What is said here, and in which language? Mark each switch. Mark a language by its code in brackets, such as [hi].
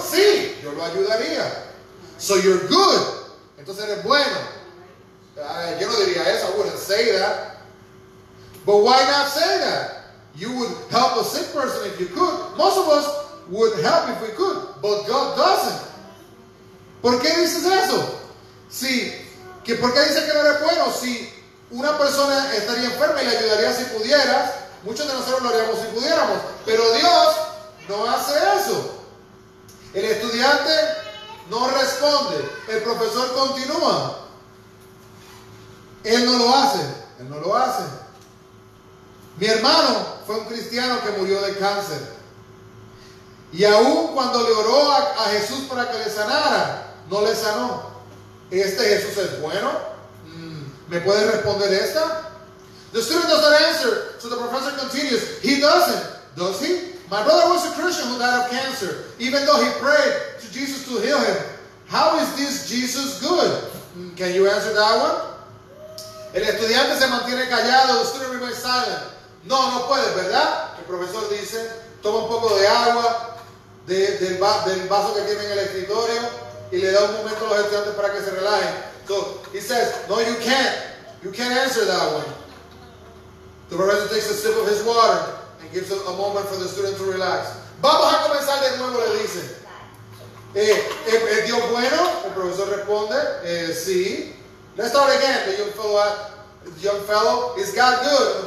[es] Sí, yo lo ayudaría. [en] So you're good. [es] Entonces eres bueno. Yo no diría eso. [en] I wouldn't say that. But why not say that? You would help a sick person if you could. Most of us would help if we could. But God doesn't. [es] ¿Por qué dices eso? Si, que ¿por qué dices que no eres bueno? Si una persona estaría enferma y le ayudaría si pudieras. Muchos de nosotros lo haríamos si pudiéramos. Pero Dios no hace eso. El estudiante no responde. El profesor continúa. Él no lo hace. Él no lo hace. Mi hermano fue un cristiano que murió de cáncer. Y aún cuando le oró a Jesús para que le sanara, no le sanó. ¿Este Jesús es bueno? ¿Me puede responder esta? [en] The student does not answer, so the professor continues. He doesn't. Does he? My brother was a Christian who died of cancer, even though he prayed to Jesus to heal him. How is this Jesus good? Can you answer that one? [es] El estudiante se mantiene callado. [en] The student remains silent. [es] No, no puede, ¿verdad? El profesor dice, toma un poco de agua del vaso que tiene en el escritorio y le da un momento a los estudiantes para que se relajen. [en] So, he says, no, you can't. You can't answer that one. The professor takes a sip of his water and gives a moment for the student to relax. [es] Vamos a comenzar de nuevo, le dice. ¿Es Dios bueno? El profesor responde, sí. [en] Let's start again. The young fellow, is God good?